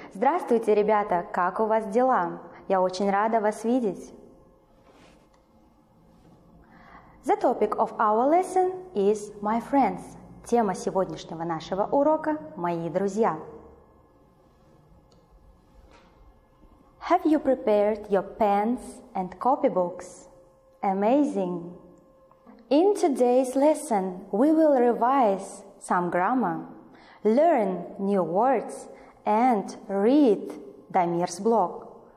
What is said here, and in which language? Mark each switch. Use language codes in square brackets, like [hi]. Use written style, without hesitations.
[ru] Здравствуйте, ребята, как у вас дела? Я очень рада вас видеть. [en] The topic of our lesson is my friends. [ru] Тема сегодняшнего нашего урока – мои друзья. [en] Have you prepared your pens and copybooks? Amazing! In today's lesson, we will revise some grammar, learn new words, and read Дамир's blog.